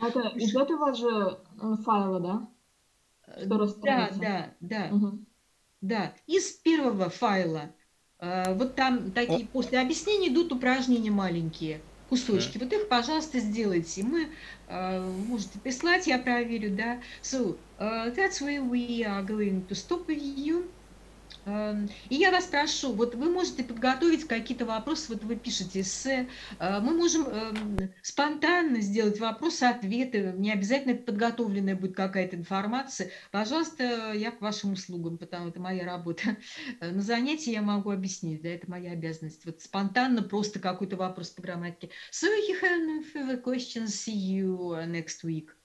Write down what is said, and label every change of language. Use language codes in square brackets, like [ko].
[ru] Это из этого же файла, да? Да. Угу. Да, из первого файла. Вот там такие после объяснений идут упражнения маленькие. Кусочки. Вот их, пожалуйста, сделайте. Мы можете прислать, я проверю, да. [en] So, that's where we are going to stop with you. [ru] И я вас прошу, вот вы можете подготовить какие-то вопросы, вот вы пишете эссе. Мы можем спонтанно сделать вопросы-ответы, не обязательно подготовленная будет какая-то информация. Пожалуйста, я к вашим услугам, потому что это моя работа. На занятии я могу объяснить, да, это моя обязанность. Вот спонтанно просто какой-то вопрос по грамматике. [en] So, if you have no further questions, see you next week.